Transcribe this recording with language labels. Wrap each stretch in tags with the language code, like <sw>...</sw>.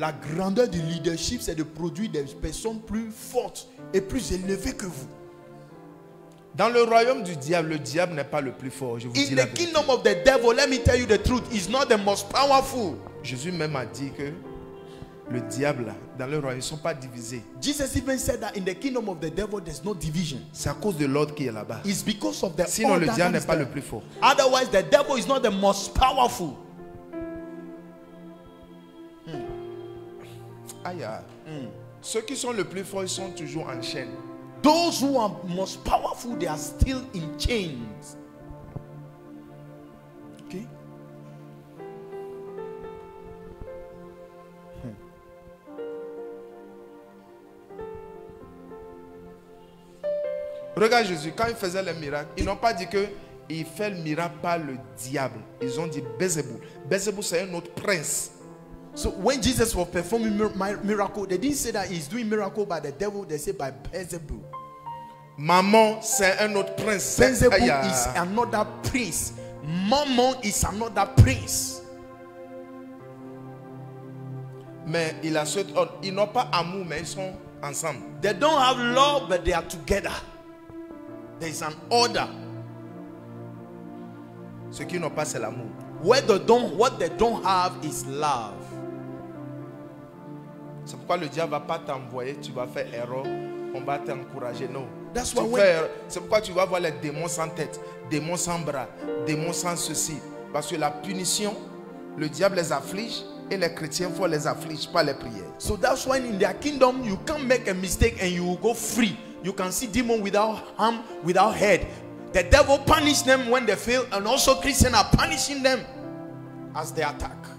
<fr>La grandeur du leadership, c'est de produire des personnes plus fortes et plus élevées que vous. Dans le royaume du diable, le diable n'est pas le plus fort. Je vous dis la vérité.</fr> <en>In the kingdom of the devil, let me tell you the truth, he's not the most powerful.</en> <fr>Jésus même a dit que le diable, dans le royaume, ils ne sont pas divisés.</fr> <en>Jesus even said that in the kingdom of the devil, there's no division.</en> <fr>C'est à cause de l'ordre qui est là-bas.</fr> <en>It's because of the order.</en> <fr>Sinon, le diable n'est pas le plus fort.</fr> <en>Otherwise, the devil is not the most powerful. Aya.</en> <fr>Ceux qui sont le plus forts, ils sont toujours en chaîne.</fr> <en>Those who are most powerful, they are still in chains. Okay.</en> <fr>Regarde Jésus, quand il faisait les miracles, ils n'ont pas dit que il fait le miracle par le diable. Ils ont dit Beelzebul. Beelzebul, c'est un autre prince.</fr> <en>So when Jesus was performing miracle, they didn't say that he's doing miracle by the devil. They say by Beelzebul.</en> <fr>Maman, c'est un autre prince.</fr> <en>Beelzebul is another prince. Maman is another prince.</en> <fr>Mais il a cet ordre. Ils n'ont pas amour, mais ils sont ensemble.</fr> <en>They don't have love, but they are together. There is an order.</en> <fr>Ce qu'ils n'ont pas, c'est l'amour.</fr> <en>What they don't have is love.</en> <fr>C'est pourquoi le diable va pas t'envoyer, tu vas faire erreur, on va t'encourager, non.</fr> <en>That's why</en> <fr>c'est pourquoi tu vas voir les démons sans tête, démons sans bras, démons sans ceci. Parce que la punition, le diable les afflige et les chrétiens font les afflige, pas les prières.</fr> <en>So that's why in their kingdom, you can't make a mistake and you will go free. You can see demons without arm, without head. The devil punish them when they fail and also Christians are punishing them as they attack.</en>